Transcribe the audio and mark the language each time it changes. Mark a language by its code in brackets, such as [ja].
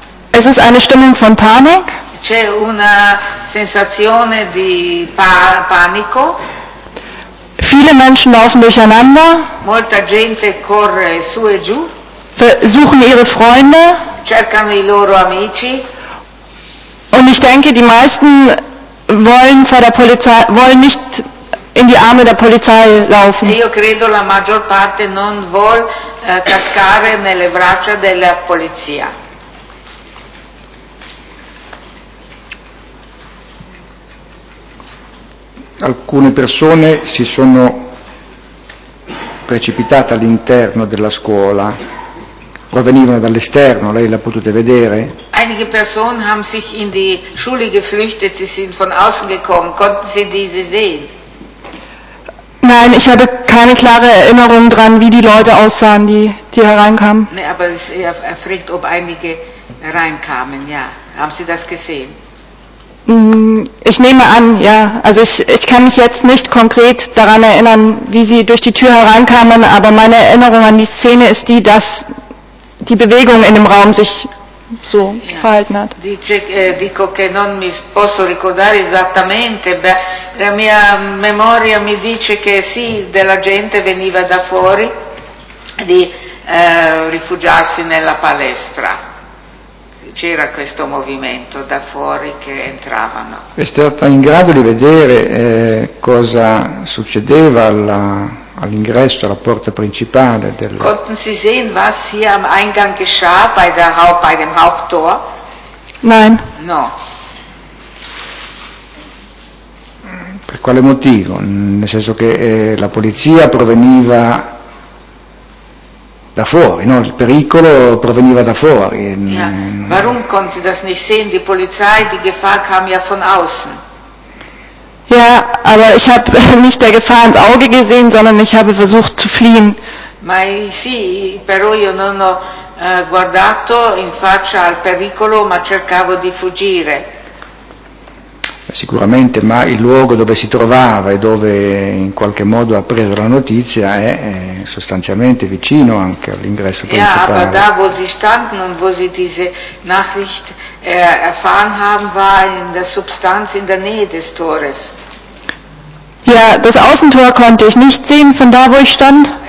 [de] Es ist eine Stimmung von Panik. [it] C'è una sensazione di panico. [de] Viele Menschen laufen durcheinander. [it] Molta gente corre su e giù. [de] Versuchen ihre Freunde. [it] Cercano i loro amici. [de] Und ich denke, die meisten wollen nicht in die Arme der Polizei laufen. [it] Io credo la maggior parte non vuol cascare nelle braccia della polizia. Alcune persone si sono precipitate all'interno della scuola. Provenivano dall'esterno, lei l'ha potuto vedere? [de] Einige Personen haben sich in die Schule geflüchtet, sie sind von außen gekommen. Konnten Sie diese sehen? Nein, ich habe keine klare Erinnerung dran, wie die Leute aussahen, die hereinkamen. Nee, aber es ist eher fragt, ob einige reinkamen, ja. Haben Sie das gesehen? Ich nehme an, ja. Also ich kann mich jetzt nicht konkret daran erinnern, wie sie durch die Tür hereinkamen, aber meine Erinnerung an die Szene ist die, dass die Bewegung in dem Raum sich so ja. verhalten hat. [it] Dice, dico che non mi posso ricordare esattamente, beh, la mia memoria mi dice che sì, della gente veniva da fuori di rifugiarsi nella palestra. C'era questo movimento da fuori che entravano. È stata in grado di vedere cosa succedeva all'ingresso, alla porta principale del. [de] Konnten Sie sehen, was hier am Eingang geschah bei dem Haupttor? Nein. [it] No. Per quale motivo? Nel senso che la polizia proveniva da fuori, no? Il pericolo proveniva da fuori. [de] Warum konnten Sie das nicht sehen? Die Polizei, die Gefahr kam ja von außen. Ja, aber ich habe nicht der Gefahr ins Auge gesehen, sondern ich habe versucht zu fliehen. [it] Ma sì, però io non ho guardato in faccia al pericolo, ma cercavo di fuggire. Sicuramente, ma il luogo dove si trovava e dove in qualche modo ha preso la notizia è sostanzialmente vicino anche all'ingresso principale. [de] Ja, aber da wo sie standen und wo sie diese Nachricht erfahren haben, war in der Substanz in der Nähe des Tores. Ja, das Außentor konnte ich nicht sehen von da wo ich stand.